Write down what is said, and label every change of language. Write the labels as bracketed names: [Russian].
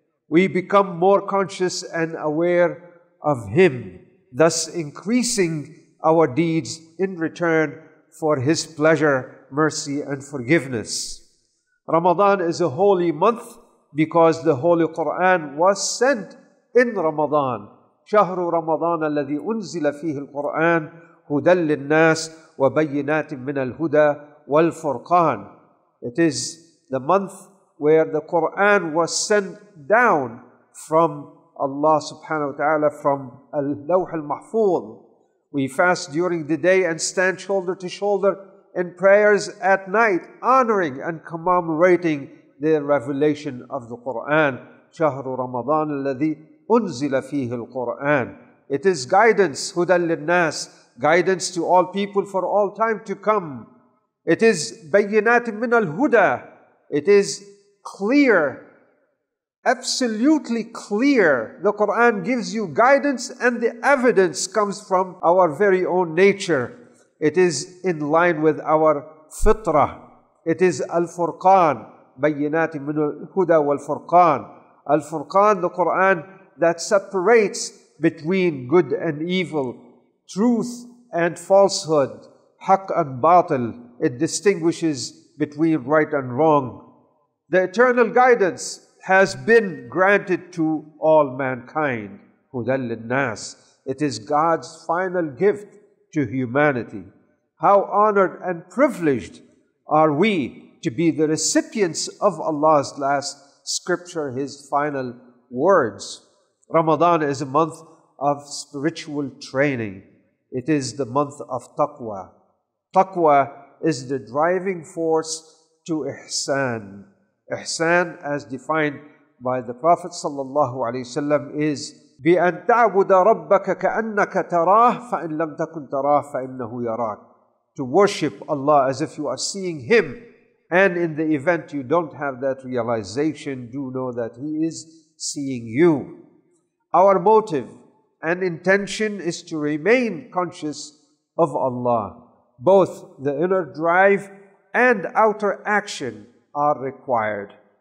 [English] We become more conscious and aware of Him, thus increasing our deeds in return for His pleasure, mercy, and forgiveness. Ramadan is a holy month because the Holy Quran was sent in Ramadan. [Arabic] شهر رمضان الذي أنزل فيه القرآن هدى للناس وبينات من الهدى والفرقان. [English] It is the month where the Quran was sent down from Allah subhanahu wa ta'ala, from al-lawh al-mahfuz. We fast during the day and stand shoulder to shoulder in prayers at night, honoring and commemorating the revelation of the Quran. [Arabic] شهر رمضان الذي أنزل فيه القرآن. [English] It is guidance, [Arabic] هدى للناس, [English] guidance to all people for all time to come. It is [Arabic] بينات من الهدى. [English] It is clear, absolutely clear. The Quran gives you guidance, and the evidence comes from our very own nature. It is in line with our fitrah. It is al-furqan, [Arabic] بينات من الهدى والفرقان. [English] Al-furqan, the Quran that separates between good and evil, truth and falsehood, haqq and batil. It distinguishes between right and wrong. The eternal guidance has been granted to all mankind. [Arabic] هُدًى لِلنَّاسِ. [English] It is God's final gift to humanity. How honored and privileged are we to be the recipients of Allah's last scripture, His final words. Ramadan is a month of spiritual training. It is the month of taqwa. Taqwa is the driving force to ihsan. Ihsan, as defined by the Prophet sallallahu alaihi wasallam, is [Arabic] بِأَن تَعْبُدَ رَبَّكَ كَأَنَّكَ تَرَاهُ فَإِن لَمْ تَكُن تَرَاهُ فَإِنَّهُ يَرَاكَ. [English] To worship Allah as if you are seeing Him, and in the event you don't have that realization, do know that He is seeing you. Our motive and intention is to remain conscious of Allah. Both the inner drive and outer action are required.